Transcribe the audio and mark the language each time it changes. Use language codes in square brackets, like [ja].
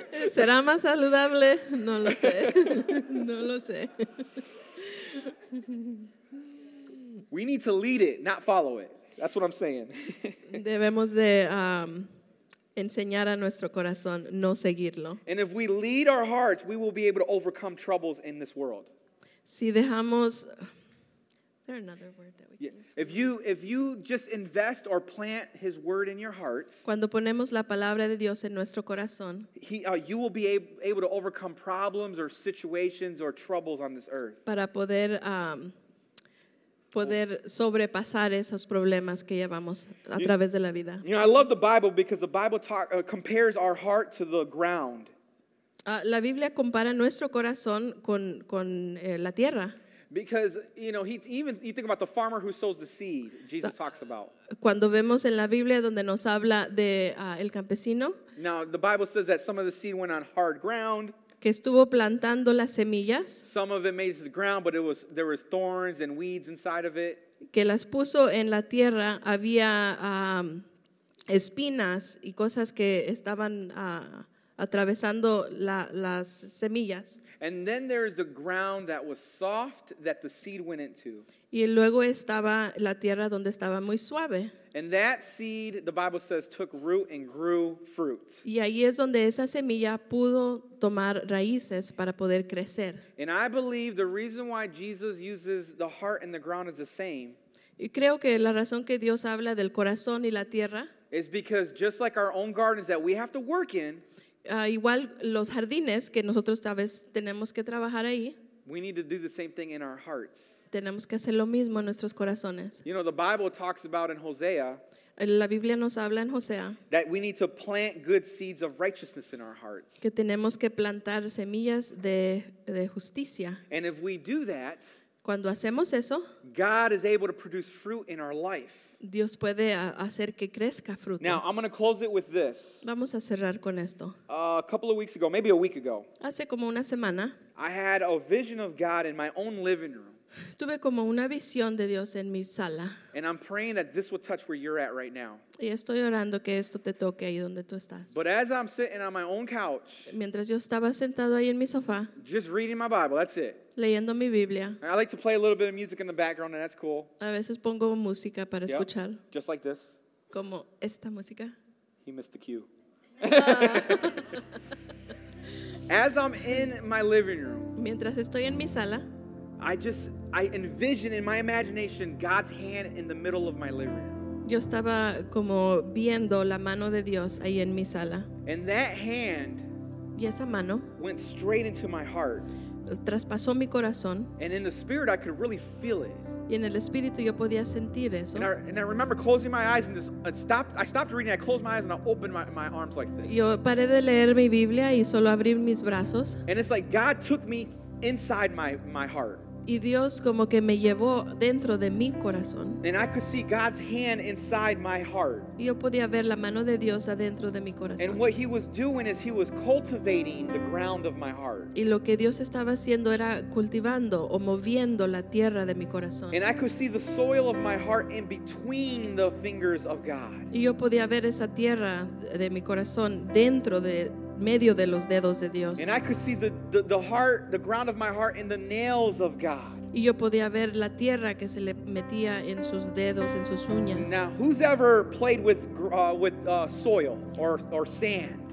[es] Será más saludable? No lo sé. No lo sé. [en] We need to lead it, not follow it. That's what I'm saying. [es] Debemos de enseñar a nuestro corazón, no seguirlo. [en] And if we lead our hearts, we will be able to overcome troubles in this world. [es] Si dejamos, [en] there another word that we can use. If you just invest or plant his word in your hearts, [es] cuando ponemos la palabra de Dios en nuestro corazón, [en] you will be able to overcome problems or situations or troubles on this earth. [es] Para poder sobrepasar esos problemas que llevamos a través de la vida. [en] You know, I love the Bible because the Bible compares our heart to the ground. [es] La Biblia compara nuestro corazón con la tierra. [en] Because, you know, you think about the farmer who sows the seed, Jesus talks about. [es] Cuando vemos en la Biblia donde nos habla de el campesino. [en] Now, the Bible says that some of the seed went on hard ground. [es] Que estuvo plantando las semillas. [en] Some of it made it to the ground, but there was thorns and weeds inside of it. [es] Que las puso en la tierra, había espinas y cosas que estaban atravesando las semillas. [en] And then there's the ground that was soft that the seed went into. [es] Y luego estaba la tierra donde estaba muy suave. [en] And that seed, the Bible says, took root and grew fruit. [es] Y ahí es donde esa semilla pudo tomar raíces para poder crecer. [en] And I believe the reason why Jesus uses the heart and the ground is the same. [es] Y creo que la razón que Dios habla del corazón y la tierra [en] is because just like our own gardens that we have to work in, [es] Igual los jardines que nosotros tal vez tenemos que trabajar ahí. [en] We need to do the same thing in our hearts. [es] Tenemos que hacer lo mismo en nuestros corazones. [en] You know, the Bible talks about in Hosea. [es] La Biblia nos habla en Hosea. [en] That we need to plant good seeds of righteousness in our hearts. [es] Que tenemos que plantar semillas de justicia. [en] And if we do that, [es] cuando hacemos eso, [en] God is able to produce fruit in our life. [es] Dios puede hacer que crezca fruto. [en] Now, I'm going to close it with this. [es] Vamos a cerrar con esto. [en] A couple of weeks ago, maybe a week ago, [es] hace como una semana, [en] I had a vision of God in my own living room. [es] Tuve como una visión de Dios en mi sala. [en] And I'm praying that this will touch where you're at right now. [es] Y estoy orando que esto te toque ahí donde tú estás. [en] But as I'm sitting on my own couch, [es] mientras yo estaba sentado ahí en mi sofá, [en] just reading my Bible, that's it. [es] Leyendo mi Biblia. [en] I like to play a little bit of music in the background, and that's cool. [es] A veces pongo música para escuchar. [en] Just like this. [es] Como esta música. [en] He missed the cue. As I'm in my living room, [es] mientras estoy en mi sala, [en] I envision in my imagination God's hand in the middle of my living room. [es] Yo estaba como viendo la mano de Dios ahí en mi sala. [en] And that hand, [es] y esa mano, [en] went straight into my heart. [es] Traspasó mi corazón. [en] And in the spirit, I could really feel it. [es] Y en el espíritu yo podía sentir eso. [en] And I remember closing my eyes and just stopped. I stopped reading. I closed my eyes and I opened my arms like this. [es] Yo paré de leer mi Biblia y solo abrí mis brazos. [en] And it's like God took me inside my heart. [es] Y Dios como que me llevó dentro de mi corazón. [en] And I could see God's hand inside my heart. [es] Y yo podía ver la mano de Dios adentro de mi corazón. [en] And what he was doing is he was cultivating the ground of my heart. [es] Y lo que Dios estaba haciendo era cultivando o moviendo la tierra de mi corazón. [en] And I could see the soil of my heart in between the fingers of God. [es] Y yo podía ver esa tierra de mi corazón dentro de medio de los dedos de Dios. [en] And I could see the heart, the ground of my heart in the nails of God. [es] Y yo podía ver la tierra que se le metía en sus dedos, en sus uñas. [en] Now, who's ever played with soil or sand?